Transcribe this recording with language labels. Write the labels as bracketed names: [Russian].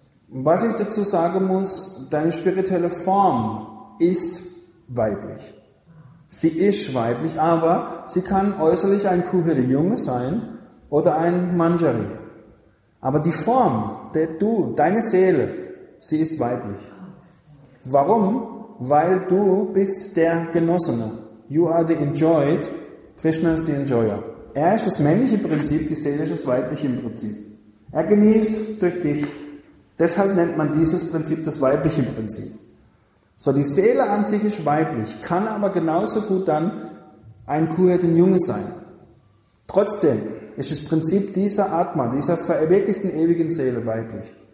[German] Was ich dazu sagen muss, deine spirituelle Form ist weiblich. Sie ist weiblich, aber sie kann äußerlich ein Kuhhirte Junge sein oder ein Manjari. Aber die Form, deine Seele, sie ist weiblich. Warum? Weil du bist der Genossene. [English] You are the enjoyed, Krishna is the enjoyer. [German] Er ist das männliche Prinzip, die Seele ist das weibliche Prinzip. Er genießt durch dich. Deshalb nennt man dieses Prinzip das weibliche Prinzip. So, die Seele an sich ist weiblich, kann aber genauso gut dann ein kuhhirten Junge sein. Trotzdem ist das Prinzip dieser Atma, dieser verwirklichten ewigen Seele weiblich.